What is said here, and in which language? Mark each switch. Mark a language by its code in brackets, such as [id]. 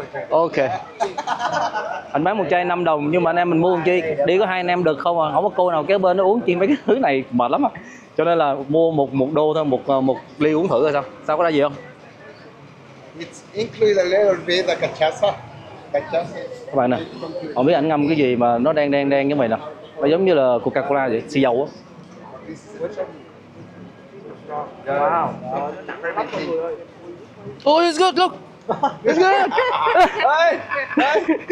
[vi] Ok. Anh bán một chai $5 nhưng mà anh em mình mua làm chi? Đi có hai anh em được không à? Không có cô nào kế bên nó uống chi mấy cái thứ này mệt lắm à. Cho nên là mua một đô thôi, một ly uống thử rồi sao? Sao có ra gì không? [en] It's included a little bit of cachaça. [vi] Các bạn nè, không biết anh ngâm cái gì mà nó đen đen đen như vậy nè. Nó giống như là Coca-Cola vậy, xì dầu á. [en] Wow. Oh, it's good. Look. It's good. Hey. Hey.